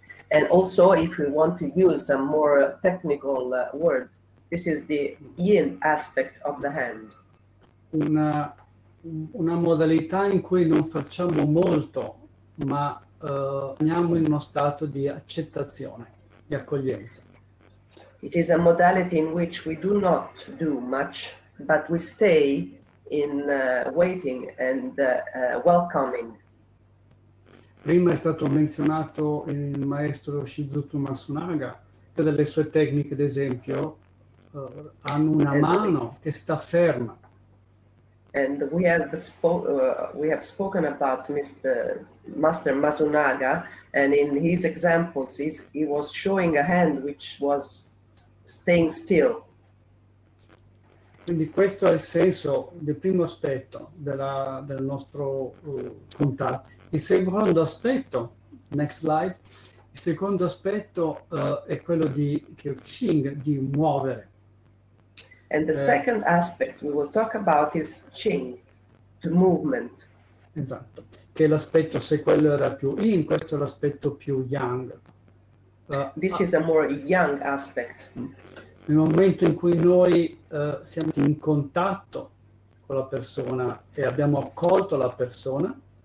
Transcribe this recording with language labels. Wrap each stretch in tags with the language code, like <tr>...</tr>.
<en>And also, if we want to use a more technical word, this is the yin aspect of the hand.</en> <it>Una modalità in cui non facciamo molto, ma andiamo in uno stato di accettazione, di accoglienza.</it> <en>It is a modality in which we do not do much, but we stay in waiting and welcoming.</en> <it>Prima è stato menzionato il maestro Shizutsu Matsunaga, che delle sue tecniche, ad esempio, hanno una mano che sta ferma.</it> <en>And we have spoken about Mr. Master Matsunaga, and in his examples, he was showing a hand which was staying still.</en> <it>Quindi questo è il senso del primo aspetto del nostro contatto. Il secondo aspetto,</it> <en>next slide,</en> <it>il secondo aspetto è quello di Qixing, di muovere.</it> <en>And the second aspect we will talk about is Qing, the movement.</en> <it>Esatto, che è l'aspetto, se quello era più Yin, questo è l'aspetto più Yang.</it> <en>This is a more Yang aspect.</en> <it>Nel momento in cui noi siamo in contatto con la persona e abbiamo accolto la persona,</it>